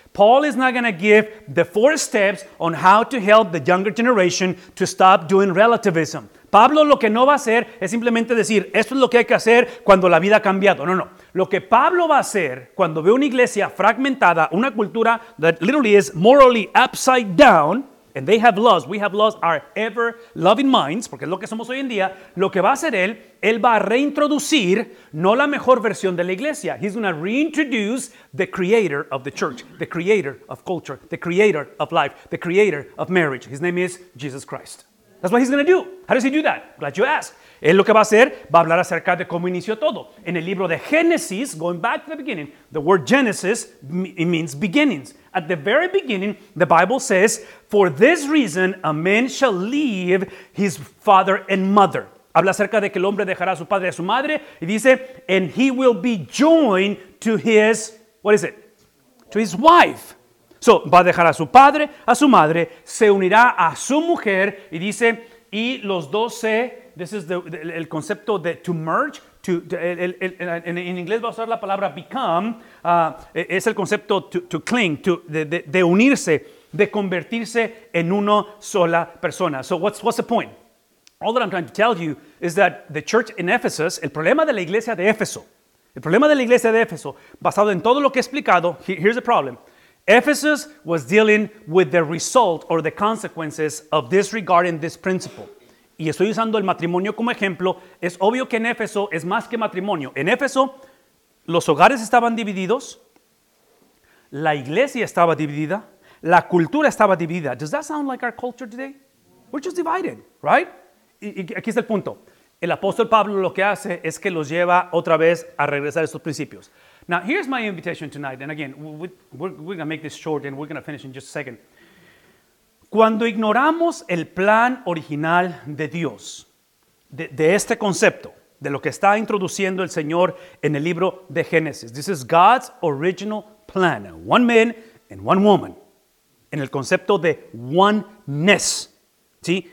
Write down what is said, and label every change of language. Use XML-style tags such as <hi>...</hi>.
<en>Paul is not going to give the four steps on how to help the younger generation to stop doing relativism.</en> <es>Pablo lo que no va a hacer es simplemente decir, esto es lo que hay que hacer cuando la vida ha cambiado. No, no. Lo que Pablo va a hacer cuando ve una iglesia fragmentada, una cultura</es> <en>that literally is morally upside down, and they have lost, we have lost our ever loving minds,</en> <es>porque es lo que somos hoy en día, lo que va a hacer él va a reintroducir no la mejor versión de la iglesia.</es> <en>He's going to reintroduce the creator of the church, the creator of culture, the creator of life, the creator of marriage. His name is Jesus Christ. That's what he's going to do. How does he do that? Glad you asked.</en> <es>Él lo que va a hacer, va a hablar acerca de cómo inició todo. En el libro de Génesis,</es> <en>going back to the beginning, the word Genesis, it means beginnings. At the very beginning, the Bible says, for this reason, a man shall leave his father and mother.</en> <es>Habla acerca de que el hombre dejará a su padre y a su madre. Y dice,</es> <en>and he will be joined to his, what is it? To his wife.</en> <es>So, va a dejar a su padre, a su madre, se unirá a su mujer, y dice, y los dos se,</es> <en>this is</en> <es>el concepto de</es> <en>to merge,</en> <es>en inglés va a usar la palabra become, es el concepto</es> <en>to cling,</en> <es>de unirse, de convertirse en una sola persona.</es> <en>So, what's the point? All that I'm trying to tell you is that the church in Ephesus,</en> <es>el problema de la iglesia de Éfeso, El problema de la iglesia de Éfeso, basado en todo lo que he explicado,</es> <en>here's the problem. Ephesus was dealing with the result or the consequences of disregarding this principle.</en> <es>Y estoy usando el matrimonio como ejemplo. Es obvio que en Éfeso es más que matrimonio. En Éfeso, los hogares estaban divididos. La iglesia estaba dividida. La cultura estaba dividida.</es> <en>Does that sound like our culture today? We're just divided, right?</en> <es>Y aquí está el punto. El apóstol Pablo lo que hace es que los lleva otra vez a regresar a estos principios.</es> <en>Now, here's my invitation tonight. And again, we're going to make this short and we're going to finish in just a second.</en> <es>Cuando ignoramos el plan original de Dios, de este concepto, de lo que está introduciendo el Señor en el libro de Génesis.</es> <en>This is God's original plan. One man and one woman.</en> <es>En el concepto de oneness. ¿Sí?</es>